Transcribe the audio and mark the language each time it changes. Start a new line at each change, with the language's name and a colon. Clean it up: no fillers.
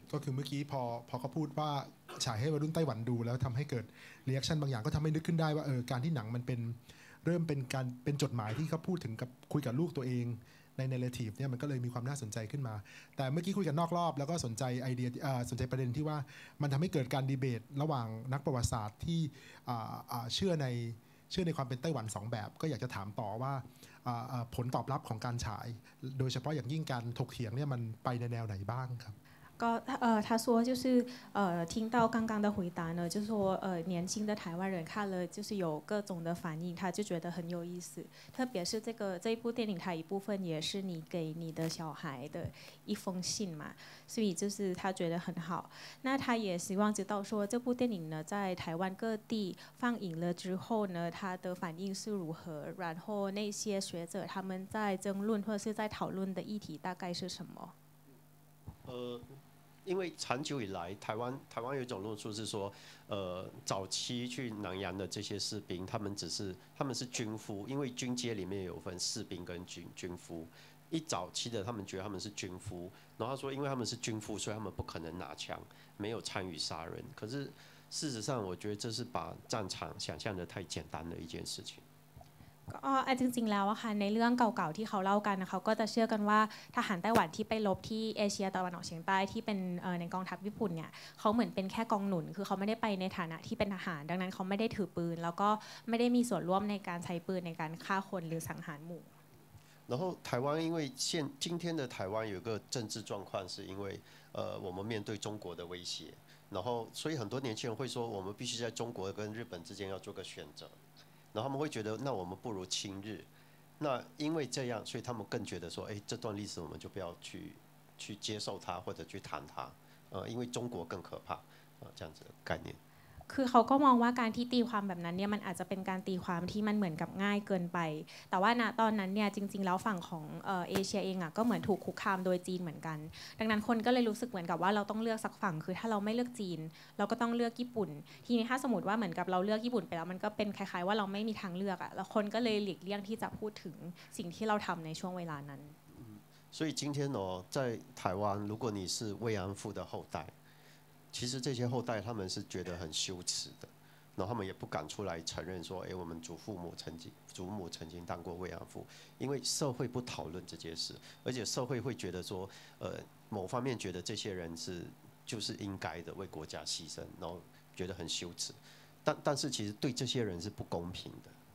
Thai: ก็คือเมื่อกี้พอเขาพูดว่าฉายให้วัยรุ่นไต้หวันดูแล้วทำให้เกิดรีแอคชั่นบางอย่างก็ทำให้นึกขึ้นได้ว่าการที่หนังมันเป็นเริ่มเป็นการเป็นจดหมายที่เขาพูดถึงกับคุยกับลูกตัวเองในเนเรทีฟเนี่ยมันก็เลยมีความน่าสนใจขึ้นมาแต่เมื่อกี้คุยกันนอกรอบแล้วก็สนใจไอเดียสนใจประเด็นที่ว่ามันทำให้เกิดการดีเบตระหว่างนักประวัติศาสตร์ที่เชื่อในความเป็นไต้หวัน2แบบก็อยากจะถามต่อว่าผลตอบรับของการฉายโดยเฉพาะอย่างยิ่งการถกเถียงเนี่ยมันไปในแนวไหนบ้างครับ
Chinese: ก็他说就是听到刚刚的回答呢就说年轻的台湾人看了就是有各种的反应他就觉得很有意思特别是这一部电影它一部分也是你给你的小孩的一封信嘛所以就是他觉得很好那他也希望知道说这部电影呢在台湾各地放映了之后呢他的反应是如何然后那些学者他们在争论或者是在讨论的议题大概是什么因为长久以来台湾有一种论述是说早期去南洋的这些士兵他们是军夫因为军阶里面有分士兵跟军夫一早期的他们觉得他们是军夫然后他说因为他们是军夫所以他们不可能拿枪没有参与杀人可是事实上我觉得这是把战场想象的太简单的一件事情
Thai: ก็จริงๆแล้วอะค่ะในเรื่องเก่าๆที่เขาเล่ากันนะเขาก็จะเชื่อกันว่าทหารไต้หวันที่ไปรบที่เอเชียตะวันออกเฉียงใต้ที่เป็นในกองทัพญี่ปุ่นเนี่ยเขาเหมือนเป็นแค่กองหนุนคือเขาไม่ได้ไปในฐานะที่เป็นทหารดังนั้นเขาไม่ได้ถือปืนแล้วก็ไม่ได้มีส่วนร่วมในการใช้ปืนในการฆ่าคนหรือสังหารหมู่
Chinese: 然后台湾因为现今天的台湾有一个政治状况是因为我们面对中国的威胁然后所以很多年轻人会说我们必须在中国跟日本之间要做个选择然后他们会觉得，那我们不如亲日。那因为这样，所以他们更觉得说，哎，这段历史我们就不要去接受它或者去谈它，因为中国更可怕，这样子的概念。
Thai: คือเขาก็มองว่าการที่ตีความแบบนั้นเนี่ยมันอาจจะเป็นการตีความที่มันเหมือนกับง่ายเกินไปแต่ว่าณตอนนั้นเนี่ยจริงๆแล้วฝั่งของเอเชียเองอ่ะก็เหมือนถูกคุกคามโดยจีนเหมือนกันดังนั้นคนก็เลยรู้สึกเหมือนกับว่าเราต้องเลือกสักฝั่งคือถ้าเราไม่เลือกจีนเราก็ต้องเลือกญี่ปุ่นทีนี้ถ้าสมมติว่าเหมือนกับเราเลือกญี่ปุ่นไปแล้วมันก็เป็นคล้ายๆว่าเราไม่มีทางเลือกอ่ะแล้วคนก็เลยหลีกเลี่ยงที่จะพูดถึงสิ่งที่เราทำในช่วงเวลานั้น
Chinese: 所以今天哦在台湾如果你是慰安妇的后代其实这些后代他们是觉得很羞耻的，然后他们也不敢出来承认说，哎，我们祖父母曾经祖母曾经当过慰安妇，因为社会不讨论这件事，而且社会会觉得说，某方面觉得这些人是就是应该的为国家牺牲，然后觉得很羞耻，但是其实对这些人是不公平的。